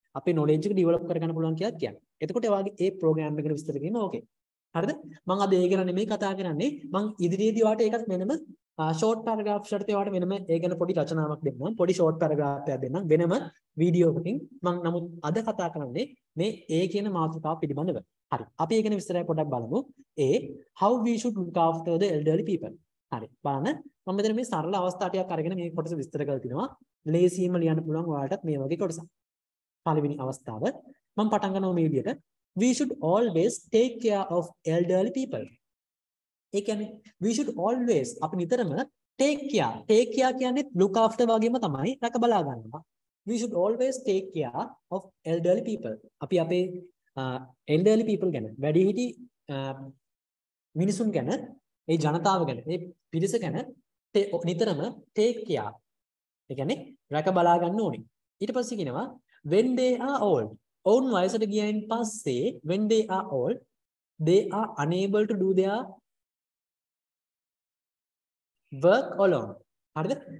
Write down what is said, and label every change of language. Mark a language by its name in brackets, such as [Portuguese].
[Sinhala] අපේ නොලෙජ් එක ඩිවලොප් කරගන්න පුළුවන් කියලා කියන්නේ. එතකොට ඔයාගේ ඒ ප්‍රෝග්‍රෑම් එකේ විස්තර කියන්න ඕකේ. හරිද? මම අද ඒ ගැන නෙමෙයි කතා කරන්නේ. මම ඉදිරියේදී ඔයාලට ඒකත් වෙනම ෂෝට් පැරග්‍රාෆ් ෂර්ට් ඒවාට වෙනම ඒ ගැන පොඩි රචනාවක් දෙන්නම්. පොඩි ෂෝට් පැරග්‍රාෆ් එකක් දෙන්නම් වෙනම වීඩියෝ එකකින්. මම නමුත් අද කතා කරන්නේ මේ ඒ කියන මාතෘකාව පිළිබඳව. හරි. අපි ඒ ගැන විස්තරය පොඩ්ඩක් බලමු. [English] ඒ how we should look after the elderly people. [Sinhala] හරි. බලන්න මම මෙතන මේ සරල අවස්ථා ටිකක් අරගෙන මේ කොටස විස්තර කරලා තිනවා. ලේසියෙන්ම ලියන්න පුළුවන් ඔයාලටත් මේ වගේ කොටසක්. පළවෙනි අවස්ථාව මම පටන් ගන්නවා මේ විදියට. [English] We should always take care of elderly people. [Sinhala] ඒ කියන්නේ [English] we should always [Sinhala] අපි නිතරම take care කියන්නේ look after වගේම තමයි රැක බලා ගන්නවා. [English] We should always take care of elderly people. [Sinhala] අපි අපේ elderly people ගැන වැඩිහිටි මිනිසුන් ගැන ඒ ජනතාව ගැන ඒ පිරිස ගැන නිතරම take care. ඒ කියන්නේ රැක බලා ගන්න ඕනේ. ඊට පස්සේ කියනවා [English] when they are old. [Sinhala] ඔවුන් වයසට ගියයින් පස්සේ [English] when they are old they are unable to do their work alone. [Sinhala] හරිද?